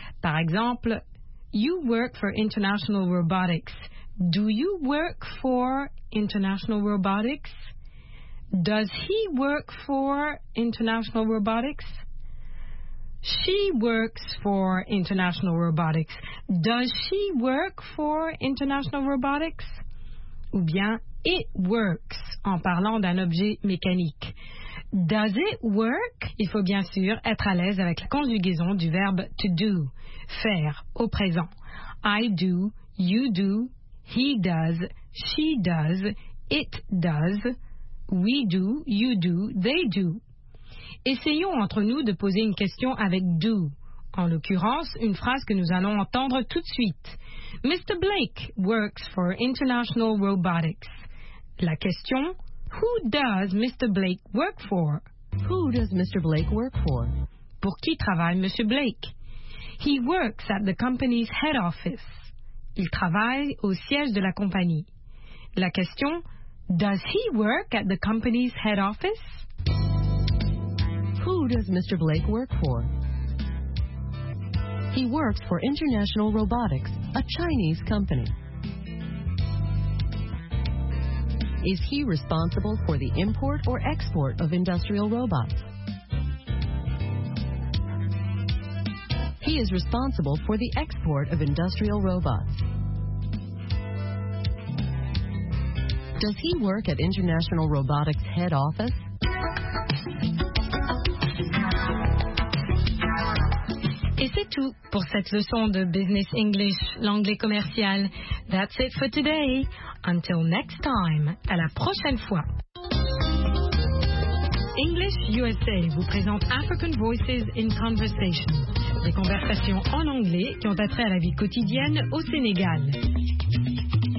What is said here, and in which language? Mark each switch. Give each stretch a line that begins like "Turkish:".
French: Par exemple,
English: You work for International Robotics. Do you work for International Robotics? Does he work for International Robotics? She works for International Robotics. Does she work for International Robotics?
French: Ou bien, it works, en parlant d'un objet mécanique.
English: Does it work?
French: Il faut bien sûr être à l'aise avec la conjugaison du verbe to do, faire, au présent.
English: I do, you do, he does, she does, it does, we do, you do, they do.
French: Essayons entre nous de poser une question avec do. En l'occurrence, une phrase que nous allons entendre tout de suite.
English: Mr. Blake works for International Robotics.
French: La question,
English: who does Mr. Blake work for? Who does Mr. Blake work for?
French: Pour qui travaille Mr. Blake?
English: He works at the company's head office.
French: Il travaille au siège de la compagnie. La question,
English: does he work at the company's head office? Who does Mr. Blake work for? He works for International Robotics, a Chinese company. Is he responsible for the import or export of industrial robots? He is responsible for the export of industrial robots. Does he work at International Robotics head office?
French: Et c'est tout pour cette leçon de Business English, l'anglais commercial.
English: That's it for today. Until next time,
French: à la prochaine fois. English USA vous présente African Voices in Conversation, des conversations en anglais qui ont attrait à la vie quotidienne au Sénégal.